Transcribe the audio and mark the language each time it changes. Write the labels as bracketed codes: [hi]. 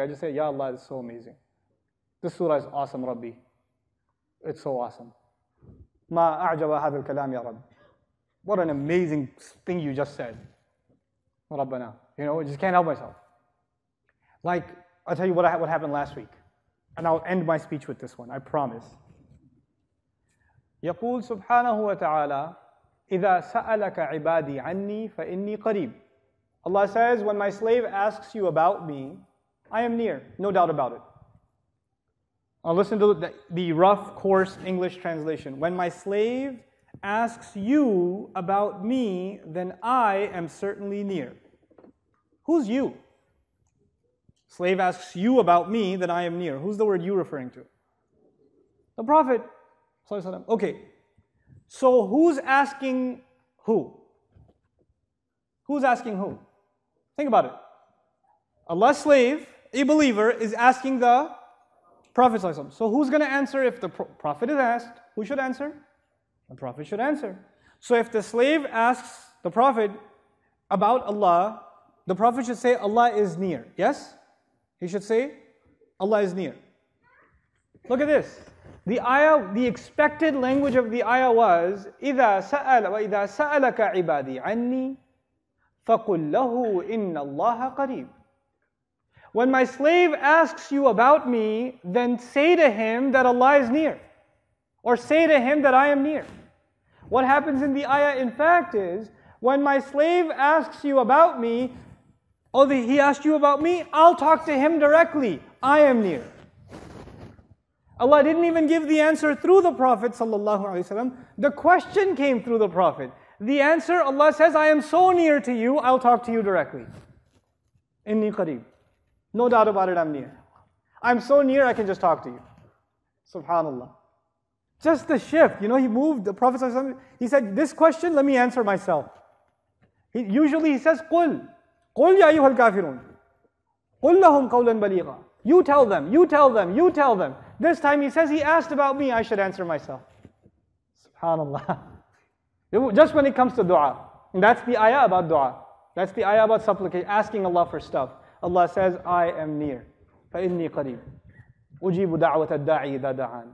[en] I just say, Ya Allah, this is so amazing. This surah is awesome, Rabbi. It's so awesome. [ar] Ma a'jaba hadha al-kalam, Ya Rabbi. [en] What an amazing thing you just said. Rabbana. You know, I just can't help myself. Like, I'll tell you what happened last week. And I'll end my speech with this one, I promise. [ar] يقول سبحانه وتعالى إذا سألك عبادي عني فإني قريب. [en] Allah says, when my slave asks you about me, I am near, no doubt about it. I'll listen to the rough, coarse English translation. When my slave asks you about me, then I am certainly near. Who's you? Slave asks you about me, then I am near. Who's the word you referring to? The Prophet. Okay. So who's asking who? Who's asking who? Think about it. Allah's slave, a believer, is asking the Prophet. So who's going to answer if the Prophet is asked? Who should answer? The Prophet should answer. So if the slave asks the Prophet about Allah, the Prophet should say Allah is near. Yes? He should say Allah is near. Look at this. The ayah, the expected language of the ayah was [ar] إِذَا سَأَلَ وَإِذَا سَأَلَكَ عِبَادِي عَنِّي فَقُلْ لَهُ إِنَّ اللَّهَ قَرِيبٌ. [en] When my slave asks you about me, then say to him that Allah is near. Or say to him that I am near. What happens in the ayah, in fact, is when my slave asks you about me, oh, he asked you about me, I'll talk to him directly. I am near. Allah didn't even give the answer through the Prophet ﷺ. The question came through the Prophet. The answer, Allah says, I am so near to you, I'll talk to you directly. [ar] Inni qareeb. [en] No doubt about it, I'm near. I'm so near, I can just talk to you. Subhanallah. Just the shift. You know, he moved, the Prophet ﷺ, he said, this question, let me answer myself. He says, [ar] قُلْ قُلْ يَا أَيُّهَا الْكَافِرُونَ قُلْ لَهُمْ قَوْلًا بَلِيغًا. [en] You tell them, you tell them, you tell them. This time he says, he asked about me, I should answer myself. Subhanallah. Just when it comes to dua. And that's the ayah about dua. That's the ayah about supplication, asking Allah for stuff. Allah says, I am near. [ar] فَإِنِّي قَرِيبٌ أُجِيبُ دَعْوَةَ الدَّاعِي إِذَا دَعَانِ.